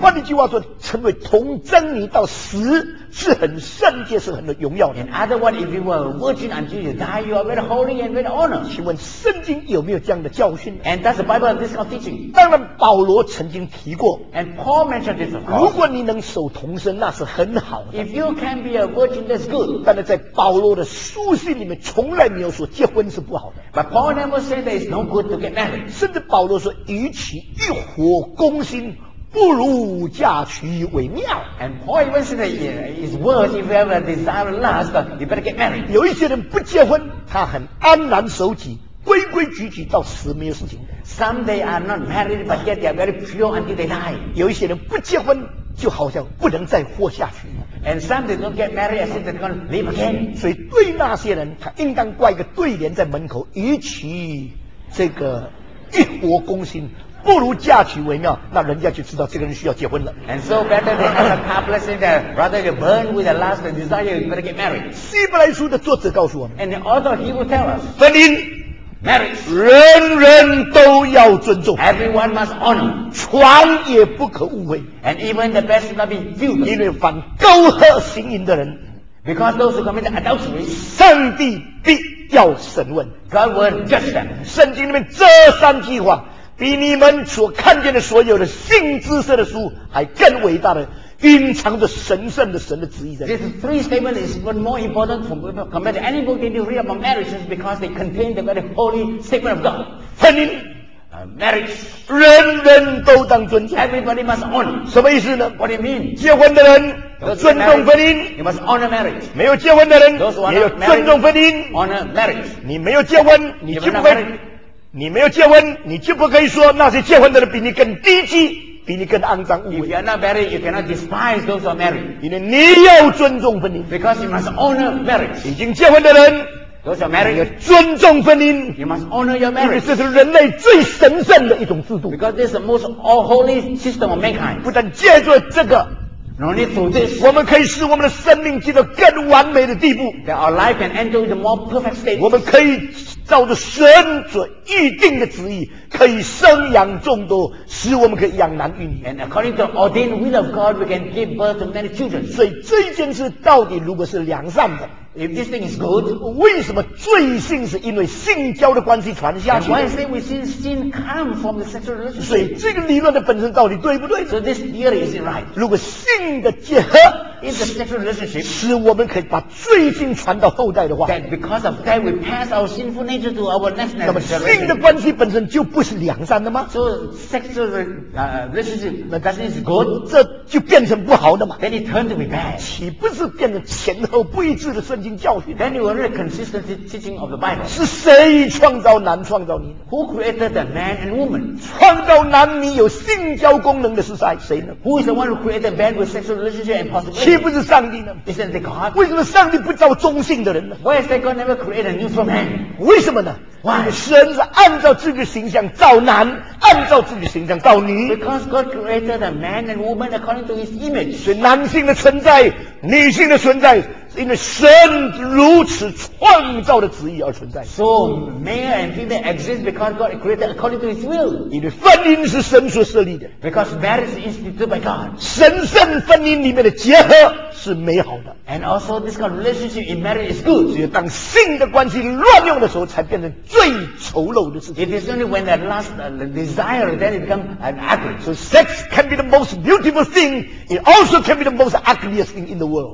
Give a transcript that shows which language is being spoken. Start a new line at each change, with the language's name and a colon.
Chinese: 换句话说，成为童贞女到死是很圣洁，是很的荣耀的。
English: And other one, if you were a virgin until you die, you are very holy and very honored.
Chinese: 请问圣经有没有这样的教训？
English: And does the Bible have this kind of teaching?
Chinese: 当然，保罗曾经提过。
English: And Paul mentioned this.
Chinese: 如果你能守童身，那是很好的。
English: If you can be a virgin, that's good.
Chinese: 但是在保罗的书信里面，从来没有说结婚是不好的。
English: But Paul never said that it's no good to get married.
Chinese: 甚至保罗说，与其欲火攻心。不如嫁娶为妙。
English: And Paul even said that it's worse if you have a desire to lust, you better get married.
Chinese: 有一些人不结婚，他很安然守己，规规矩矩到死没有事情。
English: Some they are not married, but yet they are very pure until they die.
Chinese: 有一些人不结婚，就好像不能再活下去。
English: And some they don't get married, as if they're going to live again.
Chinese: 所以对那些人，他应当挂一个对联在门口，与其这个一火攻心。不如嫁娶为妙，那人家就知道这个人需要结婚了。
English: And so better they have a couple saying that rather you burn with the last desire, you better get married.
Chinese: 希伯来书的作者告诉我们。
English: And also he will tell us.
Chinese: 婚姻
English: ，marriage，
Chinese: 人人都要尊重。
English: Everyone must honor.
Chinese: 床也不可误会。
English: And even the best should not be viewed.
Chinese: 因为犯沟壑行淫的人
English: ，because those who commit adultery，
Chinese: 上帝必要审问。
English: God will judge them.
Chinese: 圣经里面这三句话。比你们所看见的所有的性知识的书还更伟大的隐藏着神圣的神的旨意在。
English: This three statement is even more important compared to any book that you read about marriage is because they contain the very holy statement of God.
Chinese: 婚姻
English: marriage
Chinese: 人人都当尊重。
English: Everybody must honor.
Chinese: 什么意思呢？
English: What do you mean?
Chinese: 结婚的人尊重婚姻。
English: You must honor marriage.
Chinese: 没有结婚的人也有尊重婚姻。
English: Honor marriage.
Chinese: 你没有结婚，你就不会。你没有结婚，你就不可以说那些结婚的人比你更低级，比你更肮脏污秽。
English: If you are not married, you cannot despise those who are married.
Chinese: 因为你要尊重婚姻。
English: Because you must honor marriage.
Chinese: 已经结婚的人
English: ，those are married.
Chinese: 要尊重婚姻。
English: You must honor your marriage.
Chinese: 因为这是人类最神圣的一种制度。
English: Because this is the most all-holy system of mankind.
Chinese: 不但借助这个。
English: No need for this.
Chinese: 我们可以使我们的生命进到更完美的地步。
English: That our life can enter into more perfect state.
Chinese: 我们可以照着神所预定的旨意，可以生养众多，使我们可以养男育女。
English: And according to the ordained will of God, we can give birth to many children.
Chinese: 所以这件事到底如果是良善的。
English: If this thing is good,
Chinese: 为什么罪性是因为性交的关系传下去？
English: Why is it we see sin come from the sexual relationship?
Chinese: 所以这个理论的本身到底对不对？
English: So this theory is right.
Chinese: 如果性的结合
English: is the sexual relationship,
Chinese: 使我们可以把罪性传到后代的话，
English: that because of that we pass our sinful nature to our next generation.
Chinese: 那么性的关系本身就不是良善的吗？
English: So sexual relationship, that is good.
Chinese: 这就变成不好的嘛？
English: Then it turned to be bad.
Chinese: 岂不是变成前后不一致的顺？
English: Then you will read consistent teaching of the Bible.
Chinese: 是谁创造男创造女？
English: Who created the man and woman?
Chinese: 创造男女有性交功能的是谁？谁呢？
English: Who is the one who created man with sexual relationship and possibility?
Chinese: 岂不是上帝呢？
English: Isn't it God?
Chinese: 为什么上帝不造中性的人呢？
English: Why is that God never created a neutral man?
Chinese: 为什么呢？
English: Why?
Chinese: 神是按照自己的形象造男，按照自己的形象造女。
English: Because God created a man and woman according to His image.
Chinese: 所以男性的存在，女性的存在。因为神如此创造的旨意而存在。
English: So male and female exist because God created according to His will.
Chinese: 因为婚姻是神所设立的。
English: Because marriage is instituted by God.
Chinese: 神圣婚姻里面的结合是美好的。
English: And also this kind of relationship in marriage is good.
Chinese: 只有当性的关系乱用的时候，才变成最丑陋的事情。
English: It is only when that lust, the desire, then it becomes an ugly. So sex can be the most beautiful thing. It also can be the most ugliest thing in the world.